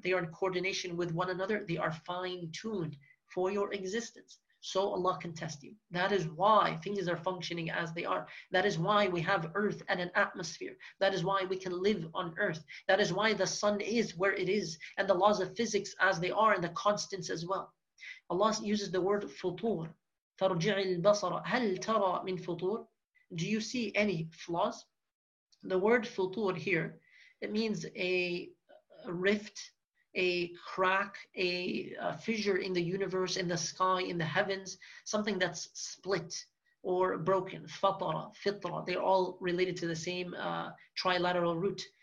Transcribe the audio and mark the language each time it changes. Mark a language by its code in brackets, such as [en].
[en] They are in coordination with one another. They are fine-tuned for your existence. So Allah can test you. That is why things are functioning as they are. That is why we have earth and an atmosphere. That is why we can live on earth. That is why the sun is where it is, and the laws of physics as they are, and the constants as well. Allah uses the word futur. [ar] فَرْجِعِ الْبَصَرَ هَلْ تَرَى مِنْ futur? [en] Do you see any flaws? The word futur here, it means a rift, a crack, a fissure in the universe, in the sky, in the heavens, something that's split or broken. Fatara, fitra, they're all related to the same trilateral root.